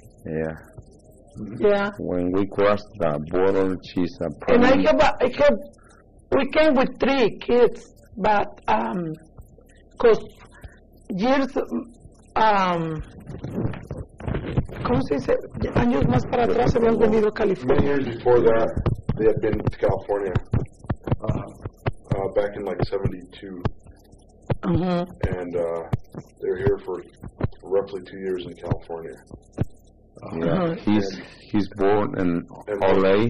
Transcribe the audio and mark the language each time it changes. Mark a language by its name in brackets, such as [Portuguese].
[English] Yeah. Mm-hmm. Yeah. When we crossed the border, she's a pregnant. And I have. We came with three kids, but because years, [Spanish] ¿cómo se dice? Años más para atrás habían venido a California. [English] Many years before that, they had been to California, back in like 72. Uh-huh. And they were here for roughly 2 years in California. Yeah, uh-huh. He's born in LA.